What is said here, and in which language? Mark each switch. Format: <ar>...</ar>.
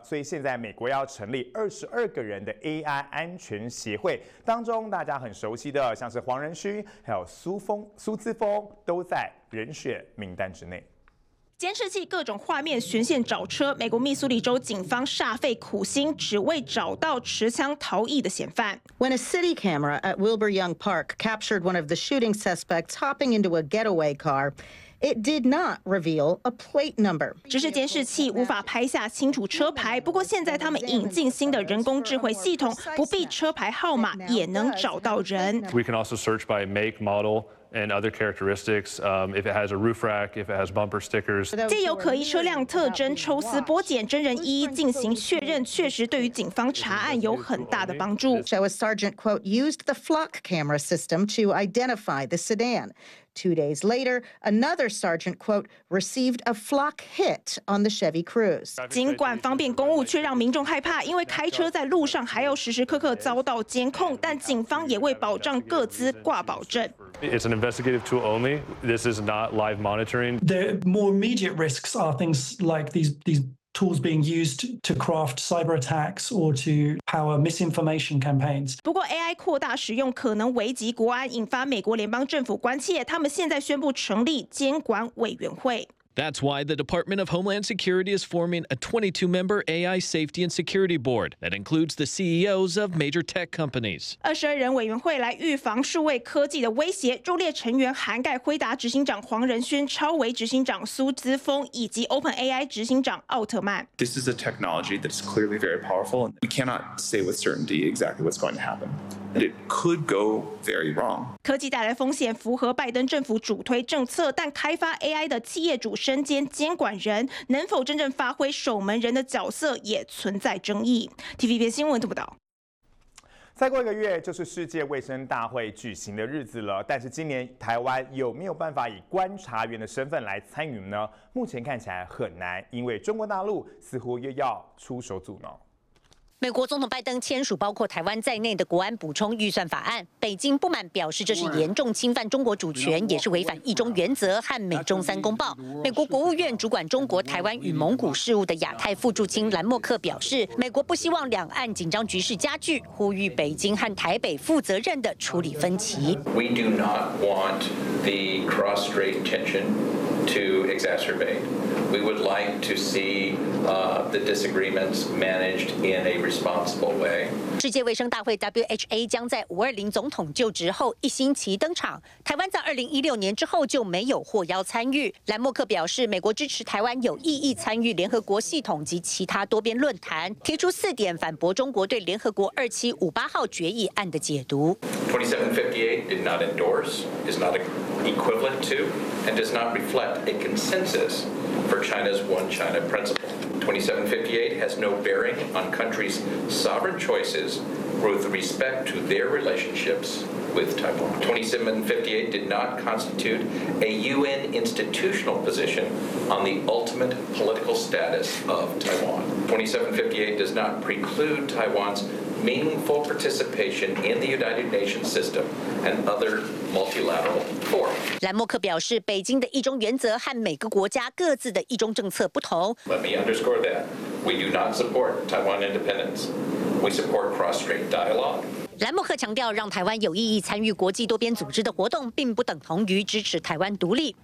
<zh>所以现在美国要成立22个人的 AI 安全协会，当中大家很熟悉的像是黄仁勋还有苏姿峰都在人选名单之内。监视器各种画面循线找车，美国密苏里州警方煞费苦心，只为找到持枪逃逸的嫌犯。</zh> <en>When a city camera at Wilbur Young Park captured one of the shooting suspects hopping into a getaway car. It did not reveal a plate number.</en> <zh>只是监视器无法拍下清楚车牌。不过现在他们引进新的人工智慧系统，不必车牌号码也能找到人。</zh> <en>We can also search by make, model, and other characteristics. If it has a roof rack, if it has bumper stickers.</en> <zh>借由可疑车辆特征抽丝剥茧，真人一一进行确认，确实对于警方查案有很大的帮助。</zh> <en>So a sergeant quote used the flock camera system to identify the sedan. Two days later, another sergeant, quote, received a flock hit on the Chevy Cruze.</en> <zh>尽管方便公务却让民众害怕，因为开车在路上还要时时刻刻遭到监控，但警方也为保障各自挂保证。</zh> <en>It's an investigative tool only. This is not live monitoring. The more immediate risks are things like these tools being used to craft cyber attacks or to power misinformation campaigns.</en> <zh>不过 AI 扩大使用可能危及国安，引发美国联邦政府关切。他们现在宣布成立监管委员会。</zh> <en>That's why the Department of Homeland Security is forming a 22-member AI Safety and Security Board that includes the CEOs of major tech companies.</en> <zh>22人委员会来预防数位科技的威胁，入列成员涵盖辉达执行长黄仁勋、超维执行长苏姿丰以及 OpenAI 执行长奥特曼。</zh> <en>This is a technology that is clearly very powerful, and we cannot say with certainty exactly what's going to happen. And it could go very wrong.</en> <zh>科技带来风险，符合拜登政府主推政策，但开发 AI 的企业主。身兼监管人，能否真正发挥守门人的角色也存在争议。 TVB 新闻报道。再过一个月就是世界卫生大会举行的日子了，但是今年台湾有没有办法以观察员的身份来参与呢？目前看起来很难，因为中国大陆似乎又要出手阻挠。美国总统拜登签署包括台湾在内的国安补充预算法案，北京不满，表示这是严重侵犯中国主权，也是违反一中原则和美中三公报。美国国务院主管中国、台湾与蒙古事务的亚太副驻卿兰默克表示，美国不希望两岸紧张局势加剧，呼吁北京和台北负责任的处理分歧。</zh> <en>We do not want the cross-strait tension to exacerbate. We would like to see the disagreements managed in a responsible way.</en> <zh>世界卫生大会 WHA 将在520总统就职后一星期登场。台湾在2016年之后就没有获邀参与。兰默克表示，美国支持台湾有意义参与联合国系统及其他多边论坛，提出四点反驳中国对联合国2758号决议案的解读。</zh> <en>2758 did not endorse, is not equivalent to, and does not reflect a consensus for China's One China principle. 2758 has no bearing on countries' sovereign choices with respect to their relationships with Taiwan. 2758 did not constitute a UN institutional position on the ultimate political status of Taiwan. 2758 does not preclude Taiwan's meaningful participation in the United Nations system and other multilateral forums.</en> <zh>兰默克表示，北京的一中原则和每个国家各自的一中政策不同。</zh> <en>Let me underscore that. We do not support Taiwan independence. We support cross-strait dialogue.</en> <zh>兰默克强调，让台湾有意义参与国际多边组织的活动，并不等同于支持台湾独立。</zh>